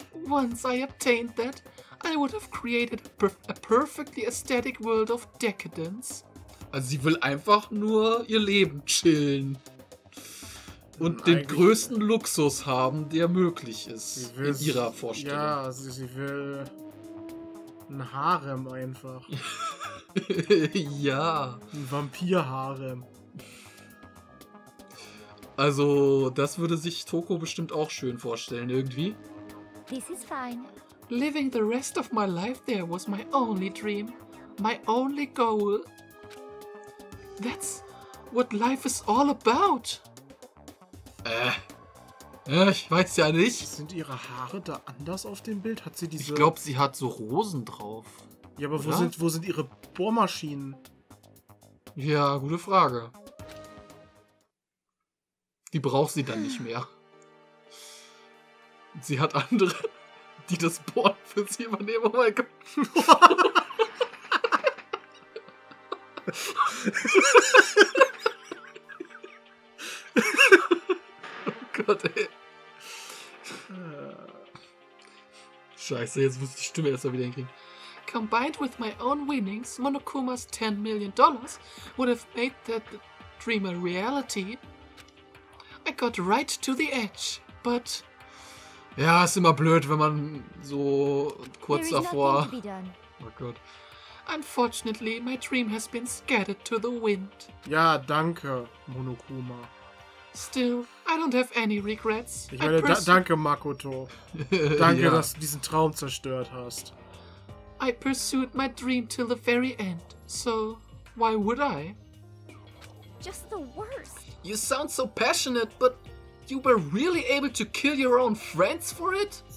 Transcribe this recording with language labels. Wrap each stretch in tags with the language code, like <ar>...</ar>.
<en>Once I obtained that, I would have created a perfectly aesthetic world of decadence.</en> <de>Also sie will einfach nur ihr Leben chillen. Und den größten Luxus haben, der möglich ist. In ihrer Vorstellung. Ja, sie will ein Harem einfach. Ja. Ein Vampir-Harem. Also, das würde sich Toko bestimmt auch schön vorstellen, irgendwie.</de> <en>This is fine. Living the rest of my life there was my only dream. My only goal. That's what life is all about.</en> <de>Ich weiß ja nicht. Sind ihre Haare da anders auf dem Bild? Hat sie diese... Ich glaube, sie hat so Rosen drauf. Ja, aber wo sind ihre Bohrmaschinen? Ja, gute Frage. Die braucht sie dann nicht mehr. Sie hat andere, die das Bohren für sie übernehmen. Oh mein Gott. Oh Gott, ey. Scheiße, jetzt muss ich die Stimme erstmal wieder hinkriegen.</de> <en>Combined with my own winnings, Monokuma's $10 million would have made that dream a reality. I got right to the edge, but...</en> <de>Ja, ist immer blöd, wenn man so kurz davor... Oh Gott.</de> <en>Unfortunately, my dream has been scattered to the wind.</en> <de>Ja, danke, Monokuma.</de> <en>Still, I don't have any regrets.</en> <de>Ich meine, danke, Makoto. Danke, ja, dass du diesen Traum zerstört hast.</de> <en>I pursued my dream till the very end, so why would I? Just the worst. You sound so passionate, but you were really able to kill your own friends for it?</en>